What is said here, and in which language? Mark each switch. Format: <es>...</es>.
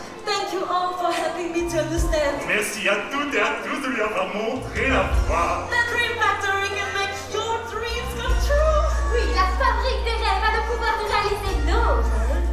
<en>Thank you all for helping me to understand.</en> <fr>Merci à toutes et à tous de lui avoir montré la voie.</fr> <en>The Dream Factory can make your dreams come true.</en> <fr>Oui, la fabrique des rêves a le pouvoir de réaliser nos rêves.</fr>